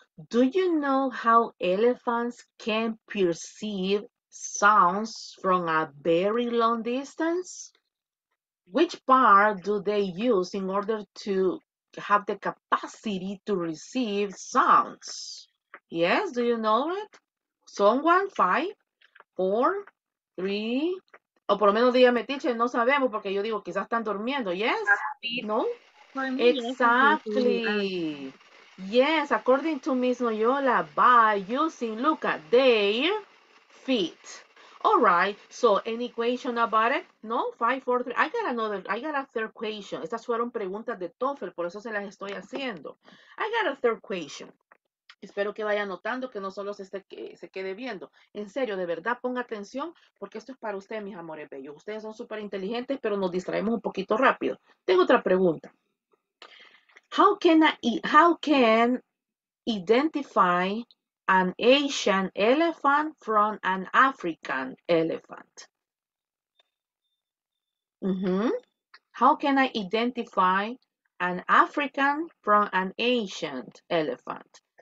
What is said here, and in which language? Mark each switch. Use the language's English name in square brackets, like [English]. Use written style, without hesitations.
[English] Do you know how elephants can perceive sounds from a very long distance? Which part do they use in order to have the capacity to receive sounds? Yes, do you know it? [Spanish] Someone, 5, 4, 3, o por lo menos dígame, teacher, no sabemos porque yo digo quizás están durmiendo. [English] Yes, no. Exactly. Yes, according to Miss Noyola, by using, look at their feet. All right. So, any question about it? No? 5, 4, 3. I got a third question. [Spanish] Estas fueron preguntas de TOEFL, por eso se las estoy haciendo. [English] I got a third question. [Spanish] Espero que vaya notando, que no solo se quede viendo. En serio, de verdad, ponga atención, porque esto es para ustedes, mis amores bellos. Ustedes son súper inteligentes, pero nos distraemos un poquito rápido. Tengo otra pregunta. [English] How can identify an Asian elephant from an African elephant? Mm-hmm. How can I identify an African from an Asian elephant?